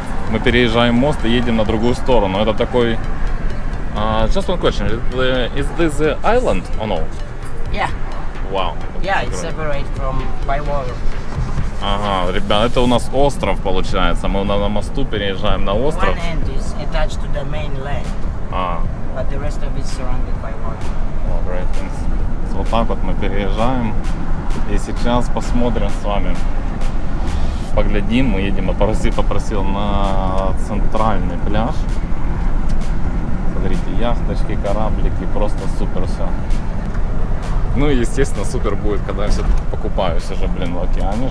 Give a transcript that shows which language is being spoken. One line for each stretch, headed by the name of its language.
Russian: Мы переезжаем мост и едем на другую сторону. Это такой...
English: Just one question. Is this the island or no? Yeah. Wow. Yeah, it's separate from by water.
Russian: Ага, ребята, это у нас остров получается. Мы на мосту переезжаем на остров.
English: One end is attached to the mainland. But the rest of it is surrounded by water. Great things.
Russian: So, вот так вот мы переезжаем. И сейчас посмотрим с вами. Поглядим, мы едем, попросил на центральный пляж. Смотрите, яхточки, кораблики, просто супер все. Ну и естественно супер будет, когда я все-таки покупаюсь уже, блин, в океане.